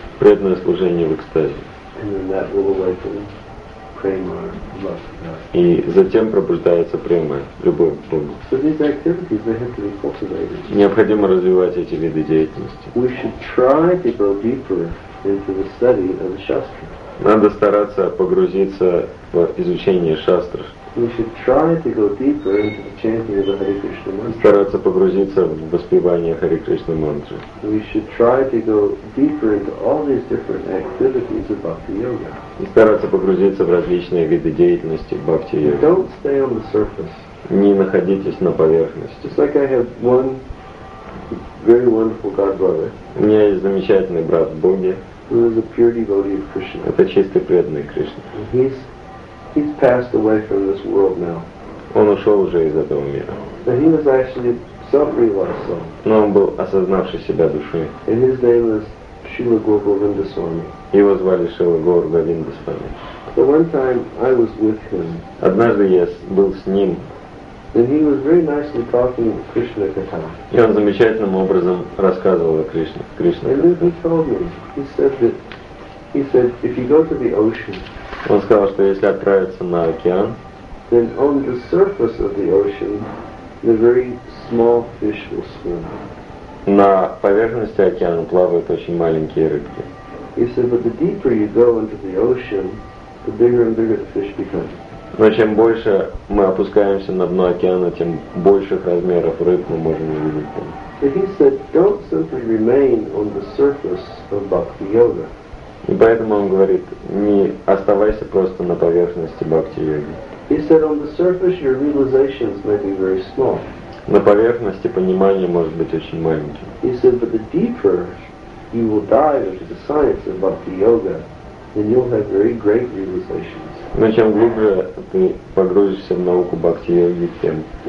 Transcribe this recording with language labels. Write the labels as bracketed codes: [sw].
[ru] Преданное служение в экстазе. [en] And then that will awaken prema, love. [ru] И затем пробуждается према, любовь к Богу. [en] So these activities, they have to be cultivated. [ru] Необходимо развивать эти виды деятельности. [en] We should try to go deeper into the study of the shastra. [ru] Надо стараться погрузиться в изучение шастр. [en] We should try to go deeper into the chanting of the Hare Krishna mantra. [ru] Стараться погрузиться в воспевание Харе Кришны мантры. [en] We should try to go deeper into all these different activities of bhakti yoga. [ru] И стараться погрузиться в различные виды деятельности бхакти йоги. [en] Don't stay on the surface. [ru] Не находитесь на поверхности. [en] Just like I have one very wonderful god brother. [ru] У меня есть замечательный брат в Боге. [en] Who is a pure devotee of Krishna. [ru] Это чистый преданный Кришне. [en] He's passed away from this world now. [ru] Он ушел уже из этого мира. [en] But he was actually self-realized soul. [ru] Но он был осознавший себя душой. [en] And his name was Srila Gaur Govinda Swami. [ru] Его звали Шрила Гаур Говинда Свами. [en] But one time I was with him. [ru] Однажды я был с ним. [en] And he was very nicely talking Krishna katha. [ru] И он замечательным образом рассказывал о Кришне. [en] And then he told me. He said, if you go to the ocean. [ru] Он сказал, что если отправиться на океан, [en] then on the surface of the ocean, the very small fish will swim. [ru] На поверхности океана плавают очень маленькие рыбки. [en] He said, but the deeper you go into the ocean, the bigger and bigger the fish become. [ru] Но чем больше мы опускаемся на дно океана, тем больших размеров рыб мы можем увидеть там. [en] So he said, don't simply remain on the surface of bhakti yoga. [ru] И поэтому он говорит, не оставайся просто на поверхности бхакти-йоги. [en] He said, on the surface your realizations may be very small. [ru] На поверхности понимание может быть очень маленьким. [en] He said, but the deeper you will dive into the science of bhakti-yoga, then you'll have very great realizations. [ru] Но чем глубже ты погрузишься в науку бхакти-йоги, тем